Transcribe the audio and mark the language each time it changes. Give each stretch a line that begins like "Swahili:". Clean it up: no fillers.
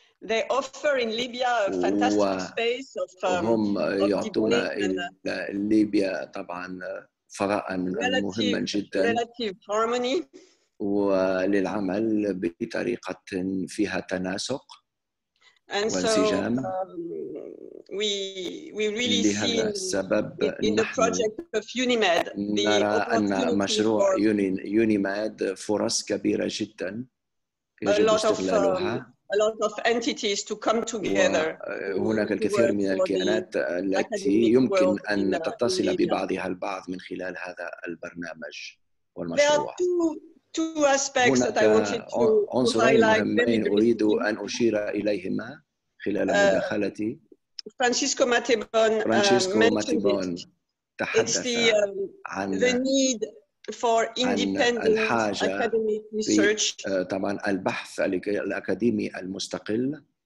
English: They offer in Libya a fantastic space of
Arabic: Libya طبعا فضاء مهما جدا
English: relative harmony
Arabic: وللعمل بطريقة فيها تناسق وانسجام.
English: We really see in the project of UNIMED
Arabic: نرى أن مشروع UNIMED فرص كبيرة جدا يجب استغلالها.
English: A lot of entities to come together.
Arabic: هناك الكثير من الكيانات التي يمكن أن تتصل ببعضها البعض من خلال هذا البرنامج والمشروع.
English: There are two aspects that I wanted to highlight.
Arabic: أريد أن أشير إليهما خلال مداخلتي.
English: Francisco Mapebon mentioned it. The need for independent academic research.
Arabic: طبعا البحث الأكاديمي المستقل.